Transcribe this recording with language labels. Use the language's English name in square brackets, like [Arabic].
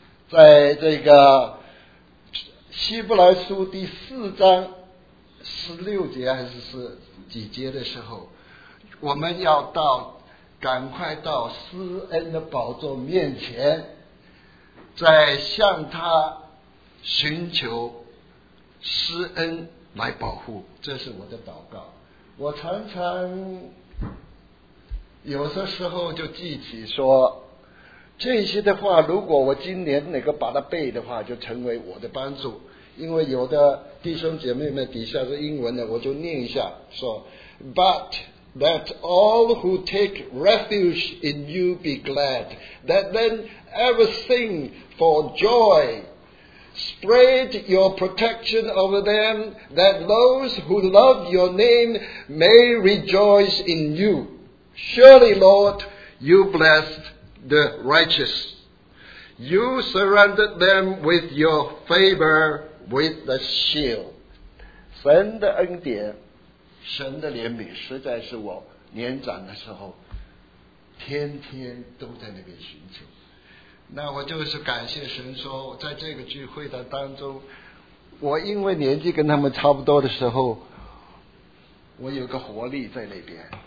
[Chinese] 在这个希伯来书第四章十六节还是十几节的时候，我们要到赶快到施恩的宝座面前，再向他寻求施恩来保护。这是我的祷告。我常常有的时候就记起说，这些的话如果我今年能够把它背的话，就成为我的帮助。因为有的弟兄姐妹们底下是英文的，我就念一下，说 [English] But that all who take refuge in you be glad, that then ever sing for joy, spread your protection over them, that those who love your name may rejoice in you. Surely, Lord, you blessed the righteous. You surrounded them with your favor, with the shield. [Chinese] 神的恩典，神的怜悯，实在是我年长的时候，天天都在那边寻求。那我就是感谢神说，在这个聚会的当中，我因为年纪跟他们差不多的时候，我有个活力在那边。